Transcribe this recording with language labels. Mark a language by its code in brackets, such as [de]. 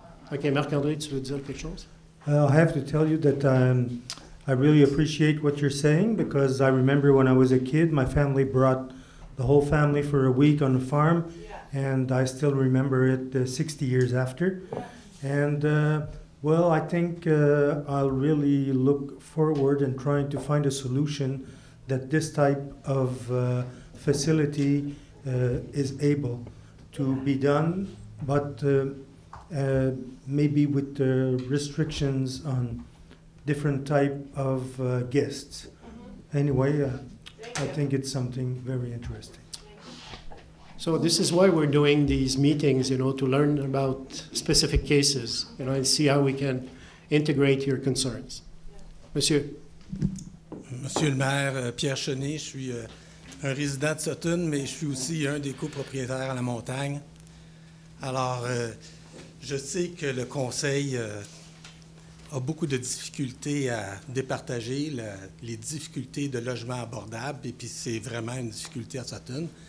[fr] Okay, Marc-André, tu veux dire quelque chose? [en] I have to tell you that I really appreciate what you're saying, because I remember when I was a kid, my family brought the whole family for a week on a farm, yeah. And I still remember it 60 years after. Yeah. And well, I think I'll really look forward and trying to find a solution that this type of facility is able to be done, but maybe with the restrictions on different type of guests. Mm-hmm. Anyway, I think it's something very interesting. So this is why we're doing these meetings, you know, to learn about specific cases, you know, and see how we can integrate your concerns. [fr] Monsieur. Monsieur le maire, Pierre Chenet, je suis un résident de Sutton, mais je suis aussi un des copropriétaires à la montagne. Alors, je sais que le conseil a beaucoup de difficultés à départager les difficultés de logement abordable, et puis c'est vraiment une difficulté à Sutton.